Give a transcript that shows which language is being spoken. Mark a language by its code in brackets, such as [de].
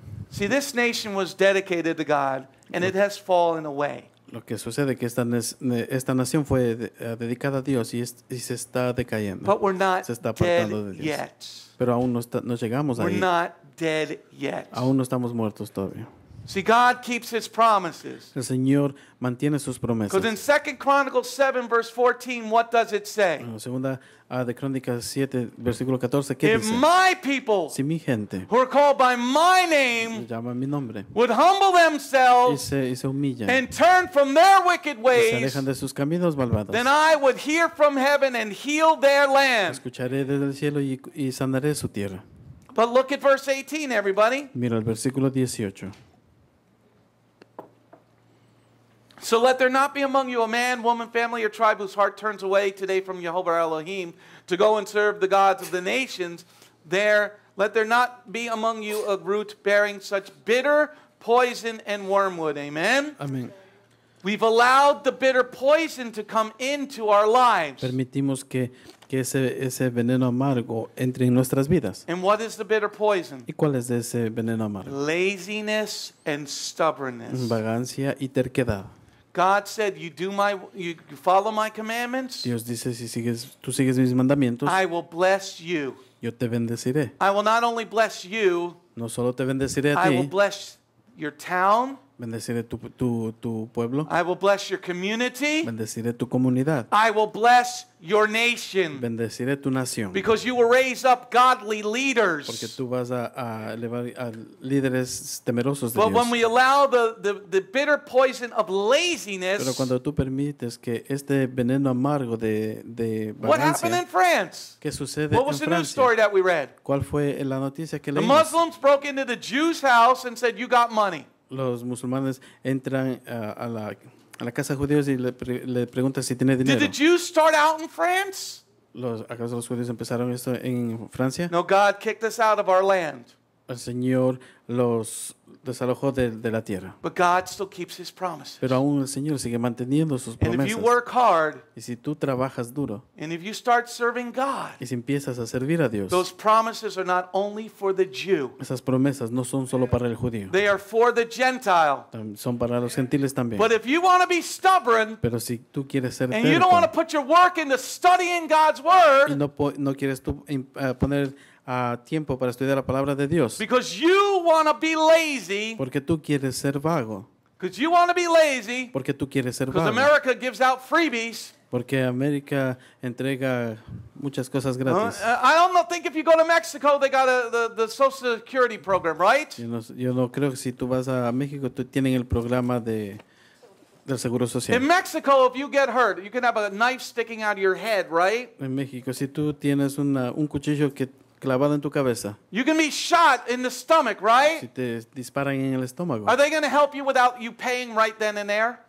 [en] See, this nation was dedicated to God and it has fallen away. [es] Lo que sucede es que esta nación fue dedicada a Dios y se está decayendo. [en] But we're not [es] se está apartando de Dios. [en] Yet. [es] Pero aún no llegamos [en] we're [es] ahí. [en] Not dead yet. [es] Aún no estamos muertos todavía. [en] See, God keeps His promises. [es] El Señor mantiene sus promesas. [en] Because in 2 Chronicles 7, verse 14, what does it say? [es] Segunda de Crónicas 7, versículo 14, ¿qué [en] if [es] dice? [en] If my people, [es] si mi gente, [en] who are called by my name, [es] llaman mi nombre, [en] would humble themselves [es] y se humillan, [en] and turn from their wicked ways, [es] se alejan de sus caminos malvados, [en] then I would hear from heaven and heal their land. [es] Escucharé desde el cielo y sanaré su tierra. [en] But look at verse 18, everybody. [es] Mira el versículo 18. [en] So let there not be among you a man, woman, family, or tribe whose heart turns away today from Yehovah Elohim to go and serve the gods of the nations. There, let there not be among you a root bearing such bitter poison and wormwood. Amen? Amen. We've allowed the bitter poison to come into our lives. [es] Permitimos que ese veneno amargo entre en nuestras vidas. [en] And what is the bitter poison? [es] ¿Y cuál es ese veneno amargo? [en] Laziness and stubbornness. [es] Vagancia y terquedad. [en] God said, you follow my commandments. [es] Dios dice, si tú sigues mis mandamientos. [en] I will bless you. [es] Yo te bendeciré. [en] I will not only bless you. [es] No solo te bendeciré a ti. [en] I will bless your town. [es] Bendeciré tu pueblo. [en] I will bless your community. [es] Bendeciré tu comunidad. [en] I will bless your nation. [es] Bendeciré tu nación. [en] Because you will raise up godly leaders. [es] Porque tú vas a elevar a líderes temerosos de [en] but [es] Dios. [en] When we allow the bitter poison of laziness. [es] Pero cuando tú permites que este veneno amargo de vagancia. [en] What happened in France? [es] ¿Qué sucede [en] what [es] en [en] was [es] Francia? [en] The news story that we read? [es] ¿Cuál fue la noticia que leímos? [en] The Muslims broke into the Jews' house and said, you got money. [es] Los musulmanes entran a la casa de judíos y le preguntan si tiene dinero. [en] Did the Jews start out in France? [es] ¿Acaso los judíos empezaron esto en Francia? [en] No, God kicked us out of our land. [es] El Señor los desalojó de la tierra. [en] But God still keeps his promises. [es] Pero aún el Señor sigue manteniendo sus promesas. [en] And if you work hard, [es] y si tú trabajas duro, [en] and if you start serving God, [es] y si empiezas a servir a Dios, [en] those promises are not only for the Jew. [es] Esas promesas no son solo para el judío. [en] They are for the Gentile. [es] Son para los gentiles también. [en] But if you want to be stubborn, [es] pero si tú quieres ser terco, [en] and you don't want to put your work into studying God's word, [es] y no quieres tú poner a tiempo para estudiar la palabra de Dios. [en] Because you want to be lazy. [es] Porque tú quieres ser vago. [en] Because you want to be lazy. [es] Porque tú quieres ser vago. [en] Because America gives out freebies. [es] Porque América entrega muchas cosas gratis. [en] I don't think if you go to Mexico they got the Social Security program, right? [es] Yo no creo que si tú vas a México tú tienen el programa de del Seguro Social. [en] In Mexico, if you get hurt, you can have a knife sticking out of your head, right? [es] En México si tú tienes un cuchillo que clavado en tu cabeza. [en] You can be shot in the stomach, right? [es] Si te disparan en el estómago. [en] Are they going to help you without you paying right then and there?